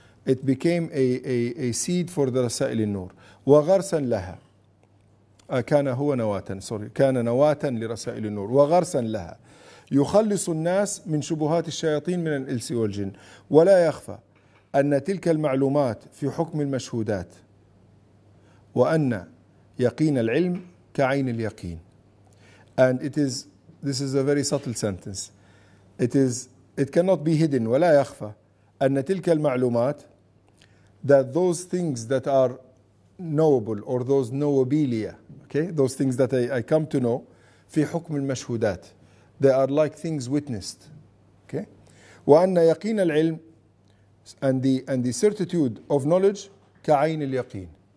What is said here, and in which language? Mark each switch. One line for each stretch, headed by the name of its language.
English: It became a seed for the Rasail al-Nur.
Arabic: وَغَرْسًا لَهَا كان هو نواتاً
English: sorry
Arabic: كان نواتاً لرسائل النور وغرساً لها يخلص الناس من شبهات الشياطين من الإلس والجن ولا يخفى أن تلك المعلومات في حكم المشهودات وأن يقين العلم كعين اليقين.
English: And it is, this is a very subtle sentence. It is, it cannot be hidden
Arabic: ولا يخفى أن تلك المعلومات,
English: that those things that are knowable or those knowabilia, okay, those things that I come to know,
Arabic: في حكم المشهودات,
English: they are like things witnessed, okay,
Arabic: وأن يقين العلم
English: and the certitude of knowledge
Arabic: كعين اليقين.